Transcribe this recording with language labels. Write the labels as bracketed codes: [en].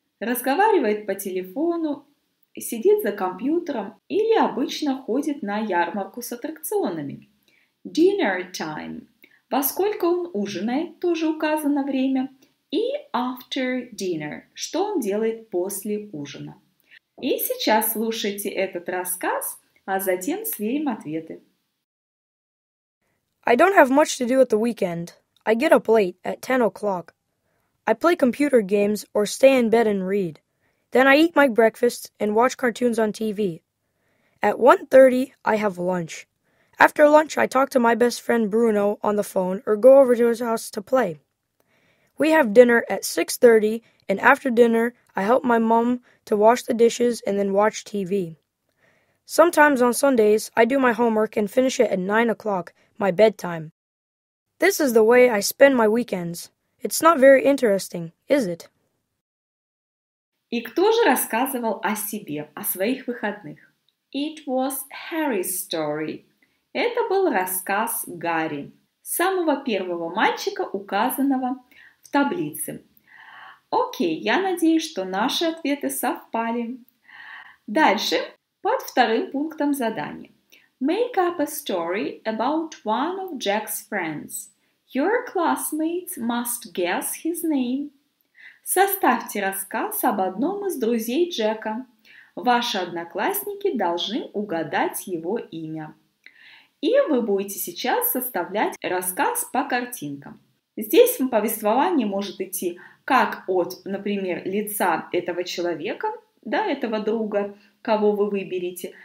[ru] Разговаривает по телефону, сидит за компьютером или обычно ходит на ярмарку с аттракционами. [en] Dinner time. [ru] Во сколько он ужинает? Тоже указано время. И [en] after dinner. [ru] Что он делает после ужина? И сейчас слушайте этот рассказ, а затем сверим ответы. [en] I don't have much to do at the weekend. I get up late at 10 o'clock. I play computer games or stay in bed and read. Then I eat my breakfast and watch cartoons on TV. At 1:30, I have lunch. After lunch, I talk to my best friend Bruno on the phone or go over to his house to play. We have dinner at 6:30, and after dinner, I help my mom to wash the dishes and then watch TV. Sometimes on Sundays, I do my homework and finish it at 9 o'clock, my bedtime. This is the way I spend my weekends. It's not very interesting, is it? [ru] И кто же рассказывал о себе, о своих выходных? [en] It was Harry's story. [ru] Это был рассказ Гарри, самого первого мальчика, указанного в таблице. Окей, я надеюсь, что наши ответы совпали. Дальше, под вторым пунктом задания. [en] Make up a story about one of Jack's friends. Your classmates must guess his name. [ru] Составьте рассказ об одном из друзей Джека. Ваши одноклассники должны угадать его имя. И вы будете сейчас составлять рассказ по картинкам. Здесь повествование может идти как от, например, лица этого человека, да, этого друга, кого вы выберете.